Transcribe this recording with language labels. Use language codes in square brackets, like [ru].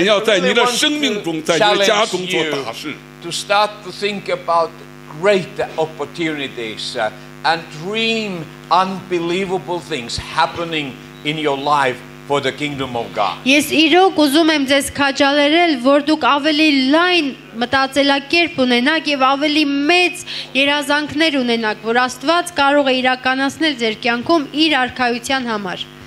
[zh] Ո今天給大家我渴望你開始想你開始想神要做大事神要在你的生命中在你的家中做大事 [en] To start to think about great opportunities and dream unbelievable things happening in your life for the kingdom of God. [hy] Ես իրոք ուզում եմ ձեզ քաջալերել, որ դուք ավելի լայն մտածելակերպ ունենաք եւ ավելի մեծ երազանքներ ունենաք, որ Աստված կարող է իրականացնել ձեր կյանքում իր արքայության համար։